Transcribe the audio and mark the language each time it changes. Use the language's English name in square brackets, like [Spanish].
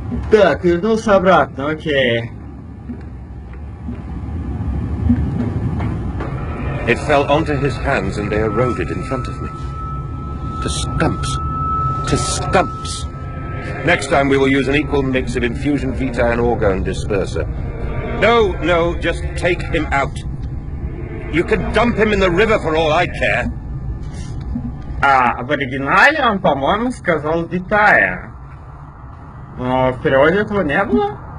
[Russian] Так, вернулся обратно, окей. [English] It fell onto his hands and they eroded in front of me. To stumps. To stumps. Next time we will use an equal mix of infusion vitae and orgone disperser. No, no, just take him out. You can dump him in the river for all I care. [Russian] А в оригинале он, по-моему, сказал «витая». Но в переводе этого не было.